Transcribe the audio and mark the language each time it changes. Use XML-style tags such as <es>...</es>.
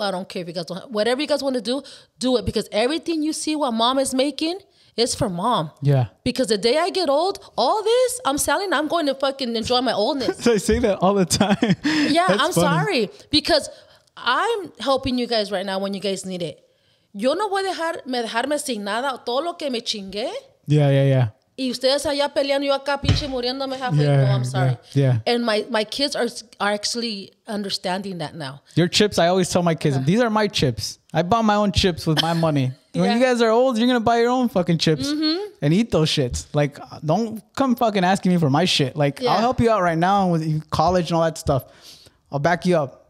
<en>I don't care if you guys don't, whatever you guys want to do, do it. Because everything you see what mom is making is for mom. Yeah. Because the day I get old, all this, I'm selling, I'm going to fucking enjoy my oldness. So I say that all the time. Yeah, that's I'm funny. Sorry. Because I'm helping you guys right now when you guys need it.</en> <es>Yo no voy a dejarme sin nada, todo lo que me chingué.</es> <en>Yeah.</en> <es>Y ustedes allá peleando, yo acá pinche muriéndome</es> <en>halfway. Yeah, no, I'm sorry. Yeah. And my kids are actually understanding that now. Your chips, I always tell my kids, these are my chips. I bought my own chips with my money. Yeah. When you guys are old, you're going to buy your own fucking chips and eat those shits. Like, don't come fucking asking me for my shit. Like, I'll help you out right now with college and all that stuff. I'll back you up.</en>